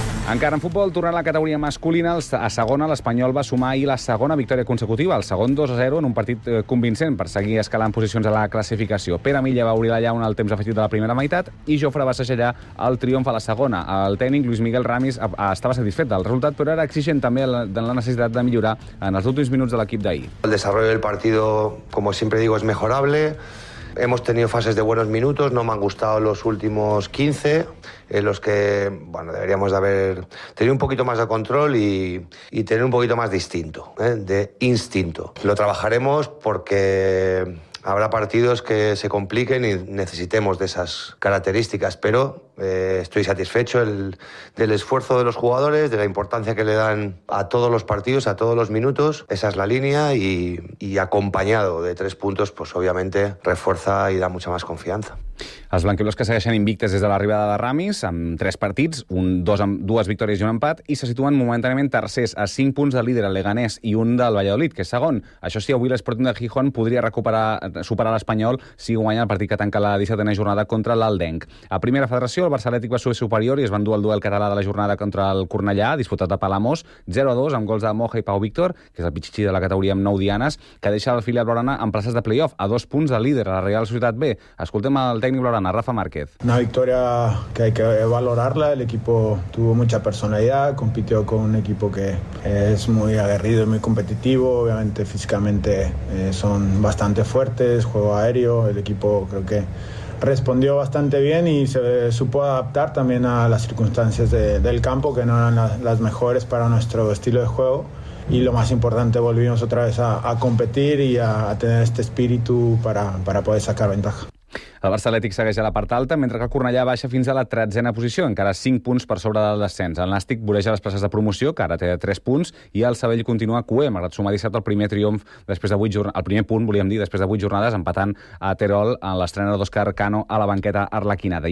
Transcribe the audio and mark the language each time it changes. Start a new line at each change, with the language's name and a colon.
Catalan: Encara en futbol, tornant a la categoria masculina, a segona l'Espanyol va sumar ahir la segona victòria consecutiva, el segon 2-0 en un partit convincent per seguir escalant posicions a la classificació. Pere Milla va obrir la llauna al temps afegit de la primera meitat i Jofre va segellar el triomf a la segona. El tècnic Luis Miguel Ramis estava satisfet del resultat, però era exigent també de la necessitat de millorar en els últims minuts de l'equip d'ahir.
Spanish: El desarrollo del partido, como siempre digo, es mejorable. Hemos tenido fases de buenos minutos, no me han gustado los últimos 15, en los que, bueno, deberíamos de haber tenido un poquito más de control y tener un poquito más de instinto, de instinto. Lo trabajaremos porque habrá partidos que se compliquen y necesitemos de esas características, pero estoy satisfecho del esfuerzo de los jugadores, de la importancia que le dan a todos los partidos, a todos los minutos. Esa es la línea y acompañado de 3 puntos, pues obviamente refuerza y da mucha más confianza.
Catalan: Els blanquiblos que segueixen invictes des de l'arribada de Ramis, amb 3 partits, dues victòries i un empat, i se situen momentàniament tercers, a 5 punts del líder, el Leganés, i un del Valladolid, que és segon. Això sí, avui l'Sporting de Gijón podria superar l'Espanyol si guanya el partit que tanca la 17a jornada contra l'Aldenc. A primera federació, el Barça Atlètic va ser superior i es van dur el duel català de la jornada contra el Cornellà, disputat a Palamós, 0-2, amb gols de Moja i Pau Víctor, que és el pitxichi de la categoria amb 9 dianes, que deixa el filial blaugrana en places de play-off, a 2 punts de líder, a la Real Societat B. Escoltem el tècnic blaugrana, Rafa Márquez. Una victòria
Spanish: que hay que valorarla, el equipo tuvo mucha personalidad, compitió con un equipo que es muy aguerrido y muy competitivo, obviamente físicamente son bastante fuertes, juego aéreo, el equipo creo que respondió bastante bien y se supo adaptar también a las circunstancias del campo, que no eran las mejores para nuestro estilo de juego. Y lo más importante, volvimos otra vez a competir y a tener este espíritu para poder sacar ventaja.
Catalan: El Barça Atlètic segueix a la part alta, mentre que el Cornellà baixa fins a la 13a posició, encara 5 punts per sobre del descens. El Nàstic voreja les places de promoció, que ara té 3 punts, i el Sabell continua cué, malgrat sumar dissabte el primer triomf després de 8 jornades, el primer punt, volíem dir, després de 8 jornades, empatant a Terol en l'estrena d'Òscar Cano a la banqueta arlequinada.